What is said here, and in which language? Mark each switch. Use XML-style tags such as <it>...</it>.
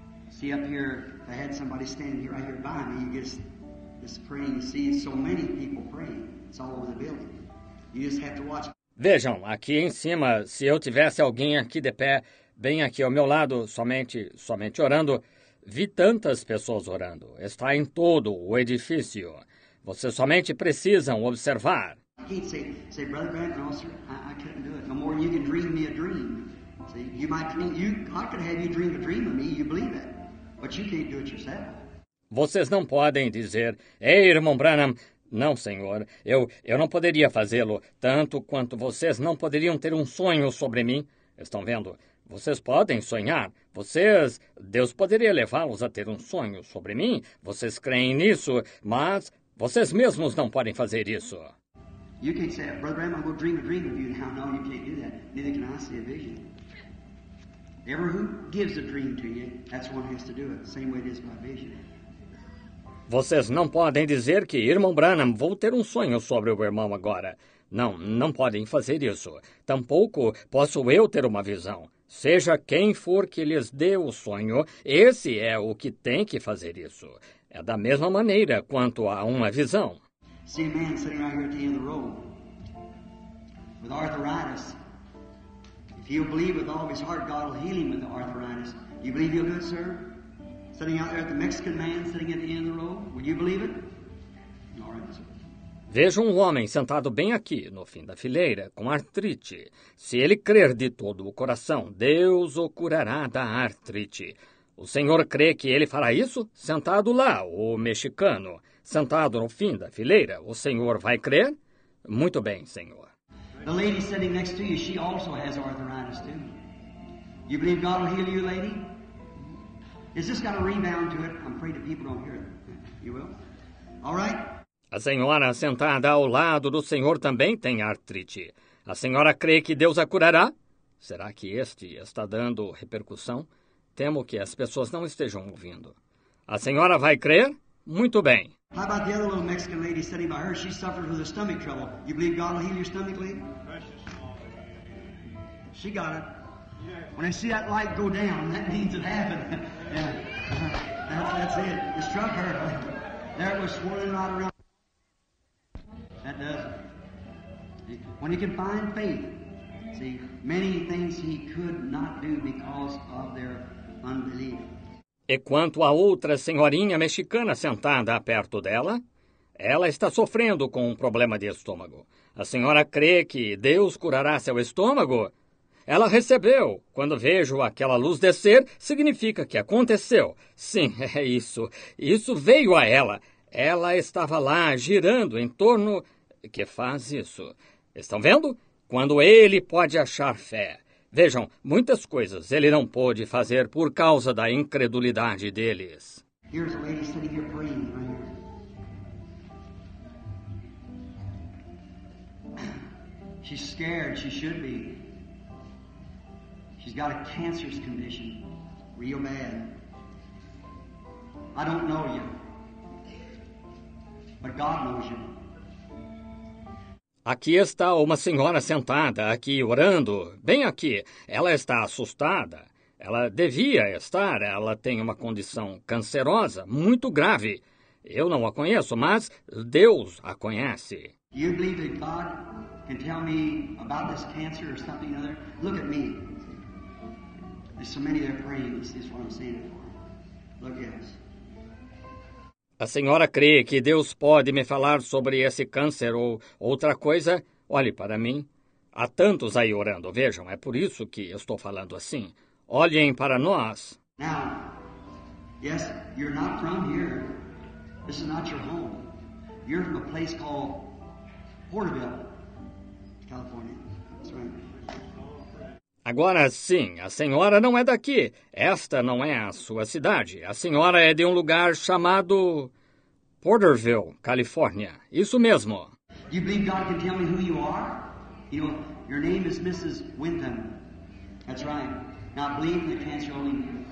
<en>See up here, if I had somebody standing here right here by me, you just pray. You see so many people praying. It's all over the building. You just have to watch.</en> <pt>Vejam, aqui em cima, se eu tivesse alguém aqui de pé, bem aqui ao meu lado, somente orando, vi tantas pessoas orando. Está em todo o edifício. Vocês somente precisam observar.</pt> <en>He'd say, Brother Grant, no, sir, I couldn't do it. No more, you can dream me a dream. See, you might dream, I could have you dream a dream of me, you believe it, but you can't do it yourself.</en> <pt>Vocês não podem dizer, ei, irmão Branham, não, senhor, eu não poderia fazê-lo, tanto quanto vocês não poderiam ter um sonho sobre mim. Estão vendo? Vocês podem sonhar, vocês, Deus poderia levá-los a ter um sonho sobre mim, vocês creem nisso, mas vocês mesmos não podem fazer isso.</pt> <en>You can't say, Brother Branham, I'm going to dream a dream of you now. No, you can't do that, neither can I see a vision. Ever who gives a dream to you, that's one who has to do it. Same way it is my vision.</en> <pt>Vocês não podem dizer que, irmão Branham, vou ter um sonho sobre o irmão agora. Não, não podem fazer isso. Tampouco posso eu ter uma visão. Seja quem for que lhes dê o sonho, esse é o que tem que fazer isso. É da mesma maneira quanto a uma visão.</pt> <en>See a man sitting right here at the end of the road with arthritis. If you believe with all of his heart, God will heal him with the arthritis. You believe he'll do it, sir? Sitting out there at the Mexican man sitting at the end of the row, would you believe it? All right, sir.</en> <pt>Veja homem sentado bem aqui, no fim da fileira, com artrite. Se ele crer de todo o coração, Deus o curará da artrite. O senhor crê que ele fará isso? Sentado lá, o mexicano. sentado no fim da fileira. O senhor vai crer? Muito bem, senhor.</pt> <en>The lady sitting next to you, she also has arthritis too. You believe God will heal you, lady? Is this got a rebound to it? I'm afraid that people don't hear it. You will? All right?</en> <pt>A senhora sentada ao lado do senhor também tem artrite. A senhora crê que Deus a curará? Será que este está dando repercussão? Temo que as pessoas não estejam ouvindo. A senhora vai crer? Muito bem.</pt> <en>How about the other little Mexican lady sitting by her? She suffered with a stomach trouble. You believe God will heal your stomach, lady? She got it. When I see that light go down, that means it happened. Yeah. That's it. It struck her. There it was swirling right around. That does it. When you can find faith, see, many things he could not do because of their unbelief.</en> <pt>E quanto à outra senhorinha mexicana sentada perto dela? Ela está sofrendo com um problema de estômago. A senhora crê que Deus curará seu estômago? Ela recebeu. Quando vejo aquela luz descer, significa que aconteceu. Sim, é isso. Isso veio a ela. Ela estava lá, girando em torno... Que faz isso? Estão vendo? Quando ele pode achar fé. Vejam, muitas coisas ele não pôde fazer por causa da incredulidade deles.</pt> <en>Here's a lady sitting here praying right here. She's scared, she should be. She's got a cancerous condition, real bad. I don't know you, but God knows you.</en> <pt>Aqui está uma senhora sentada, aqui, orando, bem aqui. Ela está assustada. Ela devia estar. Ela tem uma condição cancerosa, muito grave. Eu não a conheço, mas Deus a conhece.</pt> <en>You believe that God can tell me about this cancer or something other? Look at me. There's so many that are praying, this is what I'm saying it for. Look at us.</en> <pt>A senhora crê que Deus pode me falar sobre esse câncer ou outra coisa? Olhe para mim. Há tantos aí orando, vejam, é por isso que eu estou falando assim. Olhem para nós.</pt> <en>Now, yes, you're not from here. This is not your home. You're from a place called Porterville, California. That's right.</en> <pt>Agora sim, a senhora não é daqui. Esta não é a sua cidade. A senhora é de um lugar chamado Porterville, Califórnia. Isso mesmo.</pt> <en>You believe God can tell me who you are? You know, your name is Mrs. Wyndham. That's right. Now believe in the cancer only.</en>